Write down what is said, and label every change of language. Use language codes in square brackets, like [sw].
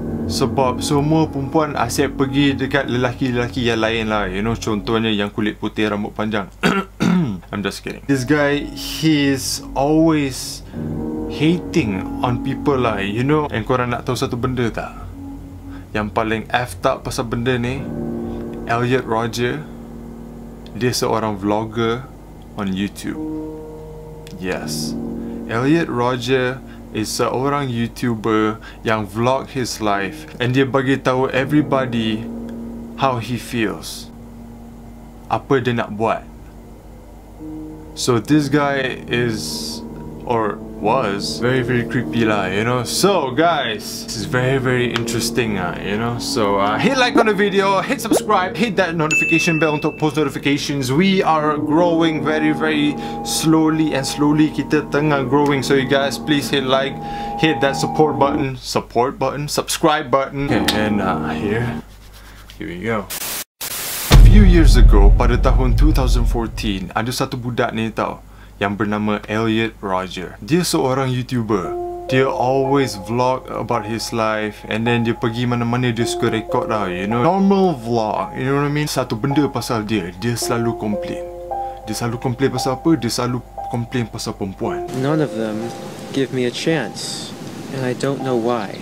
[ms] Sebab semua perempuan asyik pergi dekat lelaki-lelaki yang lain lah. [en] You know, [ms] contohnya yang kulit putih, rambut panjang. [en] I'm just kidding. This guy, he's always hating on people lah. You know, and [ms] korang nak tahu satu benda tak? Yang paling [en] effed up [ms] pasal benda ni, Elliot Roger, dia seorang vlogger on YouTube. [en] Yes, Elliot Roger is [ms] seorang YouTuber yang [en] vlog his life, and [ms] dia bagi tahu [en] everybody how he feels, [ms] apa dia nak buat. [en] So this guy is, or was, very very creepy lah, you know. So guys, this is very very interesting lah, you know. So hit like on the video, hit subscribe, hit that notification bell [ms] untuk [en] post notifications. We are growing very very slowly, and slowly [ms] kita tengah [en] growing. So you guys, please hit like, hit that support button, subscribe button. Okay, and here we go. [ms] A few years ago, pada tahun 2014, ada satu budak ni tau yang bernama Elliot Roger. Dia seorang YouTuber. [en] Dia always vlog about his life, and then [ms] dia pergi mana-mana, dia suka [en] record lah, you know. Normal vlog, you know what I mean? [ms] Satu benda pasal dia, dia selalu [en] complain. [ms] Dia selalu complain pasal apa? Dia selalu complain pasal perempuan. [en] None of them give me a chance, and I don't know why.